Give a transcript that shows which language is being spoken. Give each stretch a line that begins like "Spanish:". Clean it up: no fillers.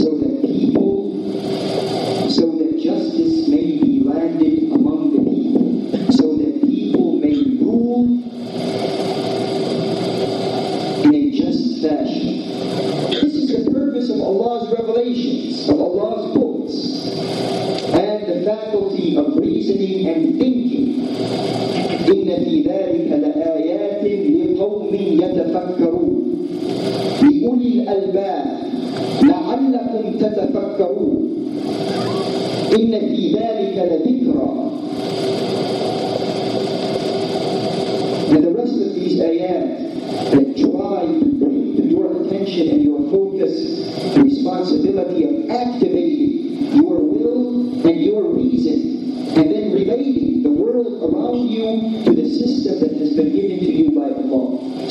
English: So that people, so that justice may be landed among the people, so that people may rule in a just fashion. This is the purpose of Allah's revelations, of Allah's books, and the faculty of reasoning and thinking.
Arabic: إن في ذلك لآيات لقوم يتفكرون لأولي الألباب لعلكم تتفكرون إن في ذلك لذكرى.
English: And the rest of these ayat that try to bring your attention and your focus, the responsibility of activating your will and your reason, and then relating the world around you to the system that has been given to you by Allah.